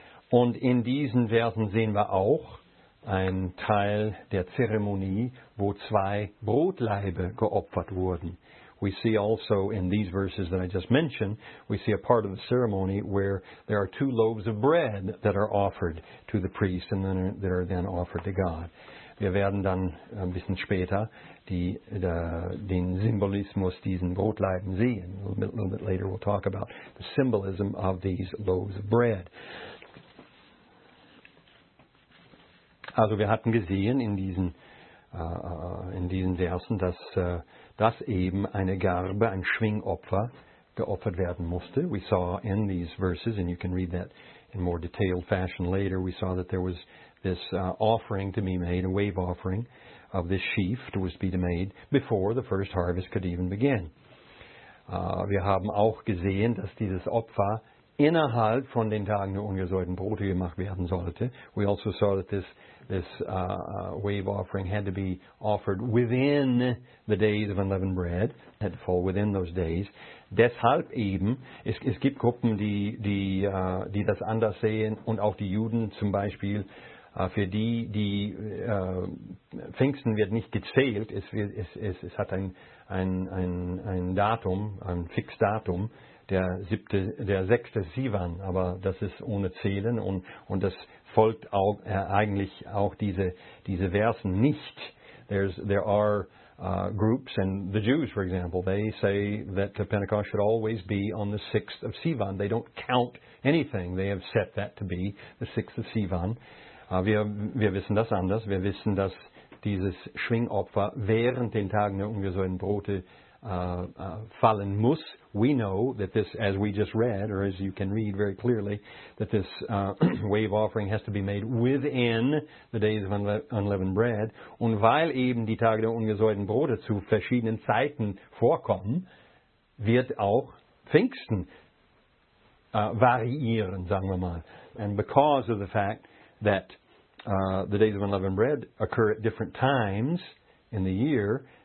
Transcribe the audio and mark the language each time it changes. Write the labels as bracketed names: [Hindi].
[German] Und in diesen Versen sehen wir auch einen Teil der Zeremonie, wo zwei Brotlaibe geopfert wurden. [English] We see also in these verses that I just mentioned, we see a part of the ceremony where there are two loaves of bread that are offered to the priest and then that are then offered to God. [German] Wir werden dann ein bisschen später den Symbolismus diesen Brotleiben sehen. [English] A little bit later we'll talk about the symbolism of these loaves of bread. [German] Also wir hatten gesehen in diesen Versen, dass eben eine Garbe, ein Schwingopfer geopfert werden musste. [English] We saw in these verses, and you can read that in more detailed fashion later, we saw that there was this offering to be made, a wave offering of this sheaf was to be made before the first harvest could even begin. [German] Wir haben auch gesehen, dass dieses Opfer innerhalb von den Tagen der ungesäuerten Brote gemacht werden sollte. [English] We also saw that this wave offering had to be offered within the days of unleavened bread, had to fall within those days. [German] Deshalb eben, es gibt Gruppen, die das anders sehen und auch die Juden zum Beispiel, für die Pfingsten wird nicht gezählt, es hat ein Datum, ein Fixdatum, der 6. Sivan, aber das ist ohne Zählen und das folgt auch eigentlich auch diese Versen nicht. [English] There are groups, and the Jews, for example, they say that the Pentecost should always be on the 6th of Sivan. They don't count anything. They have set that to be the 6th of Sivan. [German] Wir wissen das anders. Wir wissen, dass dieses Schwingopfer während den Tagen der ungesäuerten Brote fallen muss. [English] We know that this, as we just read, or as you can read very clearly, that this wave offering has to be made within the days of unleavened bread. [German] Und weil eben die Tage der ungesäuerten Brote zu verschiedenen Zeiten vorkommen, wird auch Pfingsten variieren, sagen wir mal. [English] And because of the fact that the days of unleavened bread occur at different times in the year,